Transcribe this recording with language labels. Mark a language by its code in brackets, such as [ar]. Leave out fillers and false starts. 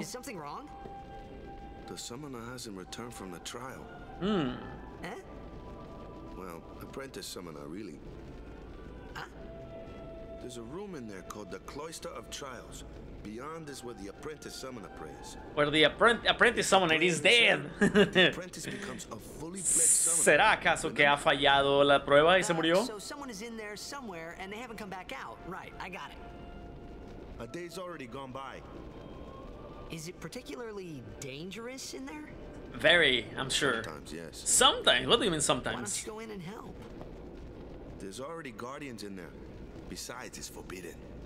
[en] Is something wrong? The summoner hasn't returned from the trial. Hmm. Huh? Well, apprentice summoner, really. Huh? There's a room in there called the Cloister of Trials. Beyond is where the apprentice summoner prays. Where the apprentice summoner is dead. [es] ¿Será acaso que ha fallado la prueba y se murió? [en] So someone is in there somewhere and they haven't come back out. Right, I got it. A day's already gone by. Is it particularly dangerous in there? Very, I'm sure. Sometimes, yes. Sometimes? What do you mean sometimes? Why don't you go in and help? There's already guardians in there. Besides, it's forbidden.